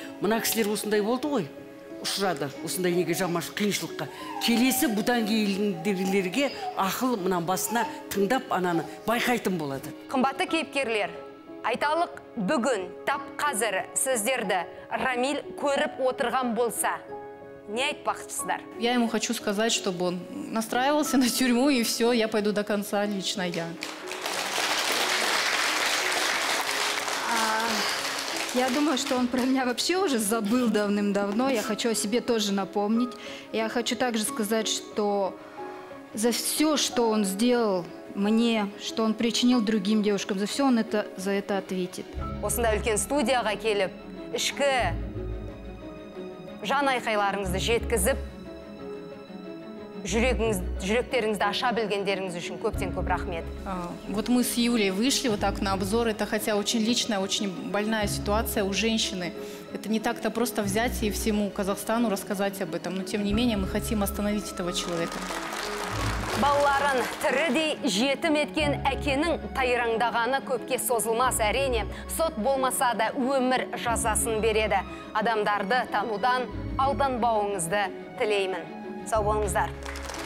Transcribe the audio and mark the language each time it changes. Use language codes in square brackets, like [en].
[kk] Мына кісілер осындай болды ғой. Ұшырады осындай неге жамаш қиыншылыққа. Келесі бұдан кейінгілерге ақыл мынан басына тыңдап ананы байқайтын болады. Қымбатты кейіпкерлер, айталық бүгін тап қазір сіздерді Рамиль көріп отырған болса, не айтпақсыздар? [ru] Я ему хочу сказать, чтобы он настраивался на тюрьму, и все, я пойду до конца лично я. Я думаю, что он про меня вообще уже забыл давным-давно. Я хочу о себе тоже напомнить. Я хочу также сказать, что за все, что он сделал мне, что он причинил другим девушкам, за все он это, за это ответит. [kk] Осындай үлкен студияға келіп, ішкі жан айқайларыңызды жеткізіп, жүректеріңізді аша білгендеріңіз үшін көптен көп рахмет. [ru] Вот мы с Юлей вышли вот так на обзор. Это хотя очень личная, очень больная ситуация у женщины. Это не так-то просто взять и всему Казахстану рассказать об этом. Но тем не менее мы хотим остановить этого человека. [kk] Балларын тірідей жетім еткен әкенің тайраңдағаны көпке созылмас әрине. Сот болмаса да өмір жазасын береді. Адамдарды танудан алданбауыңызды тілеймін. Сау болыңыздар.